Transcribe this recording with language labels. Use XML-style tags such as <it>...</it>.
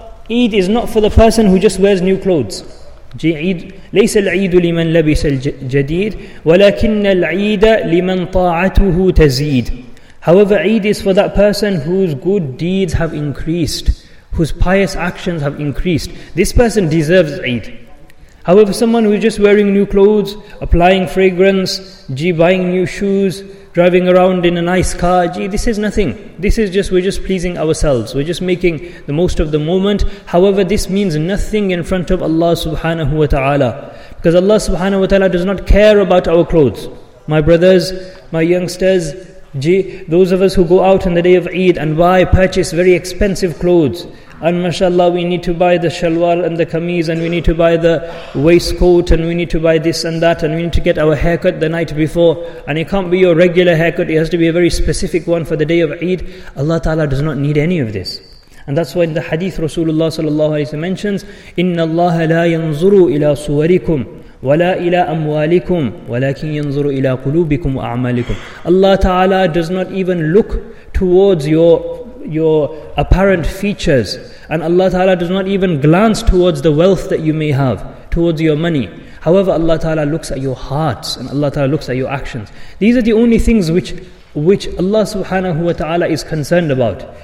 <en>Eid is not for the person who just wears new clothes.</en> <ar>ليس العيد لمن لبس الجديد ولكن العيد لمن طاعته تزيد.</ar> <en>However, Eid is for that person whose good deeds have increased, whose pious actions have increased. This person deserves Eid. However, someone who is just wearing new clothes, applying fragrance, buying new shoes, driving around in a nice car, this is nothing. This is just, we're just pleasing ourselves. We're just making the most of the moment. However, this means nothing in front of Allah subhanahu wa ta'ala. Because Allah subhanahu wa ta'ala does not care about our clothes. My brothers, my youngsters, those of us who go out on the day of Eid and purchase very expensive clothes. And mashallah, we need to buy the shalwar and the kameez, and we need to buy the waistcoat, and we need to buy this and that, and we need to get our haircut the night before. And it can't be your regular haircut, it has to be a very specific one for the day of Eid. Allah Ta'ala does not need any of this. And that's why in the hadith Rasulullah sallallahu alayhi wa sallam mentions,</en> <ar>إِنَّ اللَّهَ لَا يَنْظُرُ إِلَىٰ صُوَرِكُمْ وَلَا إِلَىٰ أَمْوَالِكُمْ وَلَكِنْ يَنْظُرُ إِلَىٰ قُلُوبِكُمْ وَأَعْمَالِكُمْ.</ar> <en>Allah Ta'ala does not even look towards your apparent features. And Allah Ta'ala does not even glance towards the wealth that you may have, towards your money. However, Allah Ta'ala looks at your hearts, and Allah Ta'ala looks at your actions. These are the only things which Allah subhanahu wa ta'ala is concerned about.</en>